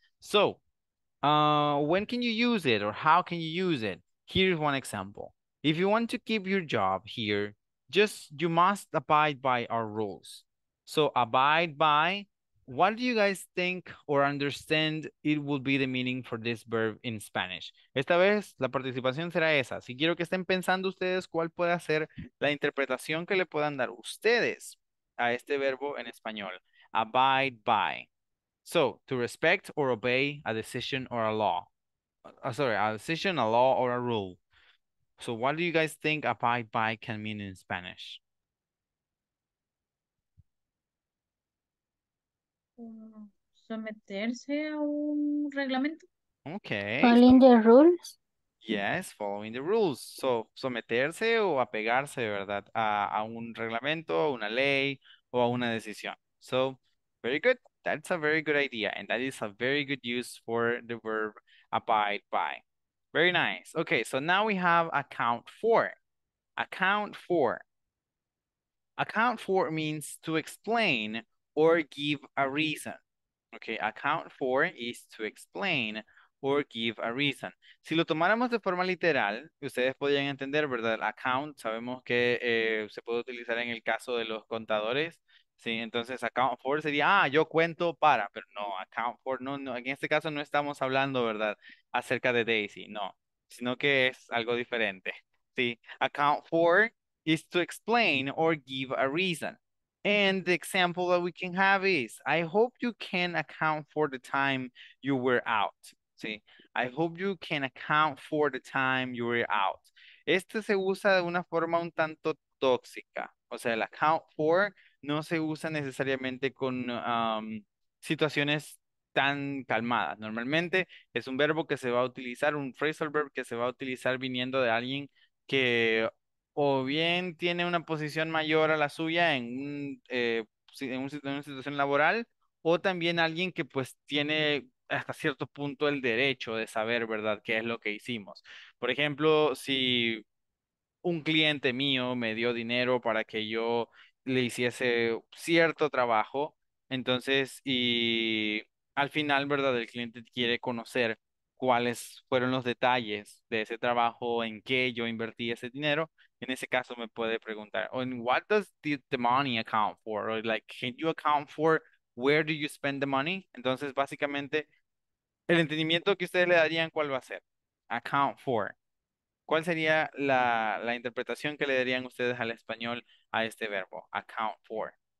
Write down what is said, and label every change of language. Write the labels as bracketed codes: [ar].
[en] So, when can you use it or how can you use it? Here's one example. If you want to keep your job here, you must abide by our rules. So, abide by. What do you guys think or understand it would be the meaning for this verb in Spanish? [es] Esta vez la participación será esa. Si quiero que estén pensando ustedes cuál puede ser la interpretación que le puedan dar ustedes a este verbo en español. [en] Abide by. So, to respect or obey a decision or a law. Sorry, a decision, a law, or a rule. So, what do you guys think abide by can mean in Spanish? [es] Someterse a un reglamento. [en] Okay. Following the rules. Yes, following the rules. So, someterse o apegarse, ¿verdad? [es] A un reglamento, a una ley, o a una decisión. [en] So, very good. That's a very good idea. And that is a very good use for the verb abide by. Very nice. Okay, so now we have account for. Account for. Account for means to explain or give a reason. Okay, account for is to explain or give a reason. [es] Si lo tomáramos de forma literal, ustedes podrían entender, ¿verdad? Account, sabemos que se puede utilizar en el caso de los contadores. Sí, entonces account for sería, yo cuento para, pero no, account for, no, en este caso no estamos hablando, ¿verdad? Acerca de Daisy, no, sino que es algo diferente. [en] Sí, account for is to explain or give a reason. And the example that we can have is, I hope you can account for the time you were out. Sí, I hope you can account for the time you were out. [es] Este se usa de una forma un tanto tóxica. O sea, el account for no se usa necesariamente con situaciones tan calmadas. Normalmente es un verbo que se va a utilizar, un phrasal verb que se va a utilizar viniendo de alguien que o bien tiene una posición mayor a la suya en una situación laboral, o también alguien que pues tiene hasta cierto punto el derecho de saber, ¿verdad?, qué es lo que hicimos. Por ejemplo, si un cliente mío me dio dinero para que yo le hiciese cierto trabajo. Entonces, y al final, ¿verdad? El cliente quiere conocer cuáles fueron los detalles de ese trabajo, en qué yo invertí ese dinero. [en] En ese caso, me puede preguntar, ¿en what does the money account for? Or like, can you account for where do you spend the money? [es] Entonces, básicamente, el entendimiento que ustedes le darían, ¿cuál va a ser? Account for. ¿Cuál sería la interpretación que le darían ustedes al español a este verbo? [en] Account for.